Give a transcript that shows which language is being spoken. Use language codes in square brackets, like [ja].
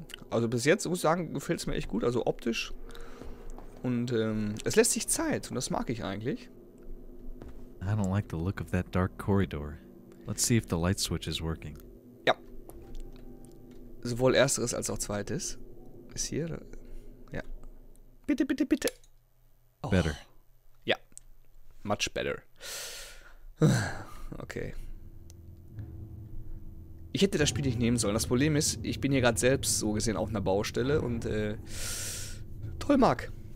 [de] Also bis jetzt muss ich sagen, gefällt es mir echt gut, also optisch. Und es lässt sich Zeit und das mag ich eigentlich. [en] I don't like the look of that dark corridor. Let's see if the light switch is working. [de] Ja. Sowohl ersteres als auch zweites. Ist hier. Ja. Bitte, bitte, bitte. [en] Oh. Better. [de] Ja. [en] Much better. Okay. [de] Ich hätte das Spiel nicht nehmen sollen. Das Problem ist, ich bin hier gerade selbst so gesehen auf einer Baustelle und toll, Marc.